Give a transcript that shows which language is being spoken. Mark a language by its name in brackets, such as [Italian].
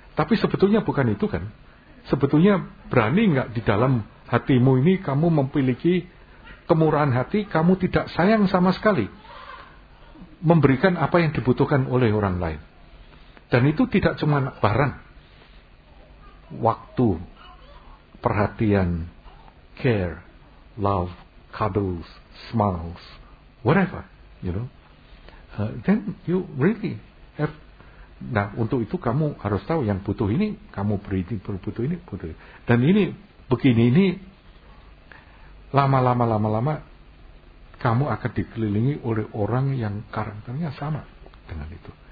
[Indonesian] Tapi sebetulnya bukan itu kan. Sebetulnya berani enggak di dalam hatimu ini kamu memiliki kemurahan hati, kamu tidak sayang sama sekali memberikan apa yang dibutuhkan oleh orang lain. Dan itu tidak cuma barang. Waktu, perhatian, [English] care, love, cuddles, smiles, whatever, you know. Then you really have. [Indonesian] Nah, untuk itu kamu harus tahu yang butuh ini, kamu beri ini, butuh ini, butuh ini. Dan ini, begini ini, lama-lama, kamu akan dikelilingi oleh orang yang karakternya sama dengan itu.